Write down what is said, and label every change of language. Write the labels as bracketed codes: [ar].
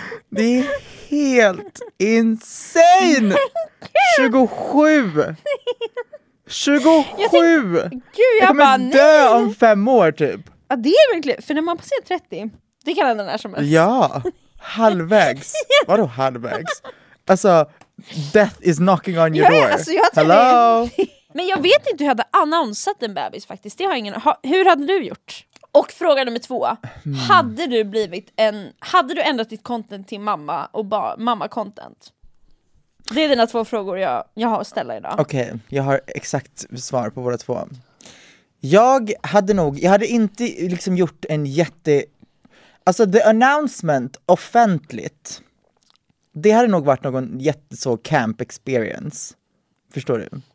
[sv] Det är helt insane! 27! 27! Jag kommer dö nej. Om 5 år, typ. Ja, det är verkligen... För när man passerar 30... Det kan den här som helst. Ja, halvvägs. Vadå halvvägs? [en] Alltså, death is knocking on your door. [sv] Alltså, [en] hello? [sv] Men jag vet inte hur jag hade annonsat en bebis faktiskt. Det har ingen... Hur hade du gjort? Och fråga nummer två. Hade du blivit en, hade du ändrat ditt content till mamma och mamma content? Det är dina två frågor jag har att ställa idag. Okej, jag har exakt svar på båda två. Jag hade nog, jag hade inte liksom gjort en jätte, alltså [en] the announcement [sv] offentligt, det hade nog varit någon jätte så [en] camp experience. [sv] Förstår du?